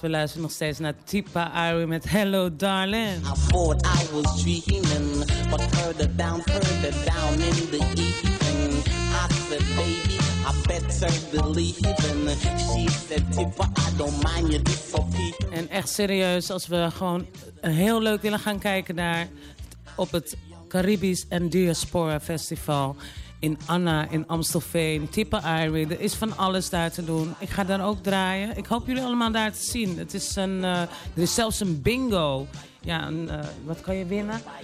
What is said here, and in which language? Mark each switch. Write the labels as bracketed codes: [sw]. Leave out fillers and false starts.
[nl] We luisteren nog steeds naar Tipa Ari met Hello Darling. [en] I thought I was dreaming, but further down in the evening. I said, baby, I better believe in. She said, Tipa, I don't mind you disappear. [nl] En echt serieus, als we gewoon heel leuk willen gaan kijken naar op het Caribisch en Diaspora Festival in Anna, in Amstelveen, Tipa Ari. Er is van alles daar te doen. Ik ga daar ook draaien. Ik hoop jullie allemaal daar te zien. Het is een, er is zelfs een bingo. Ja, een, wat kan je winnen?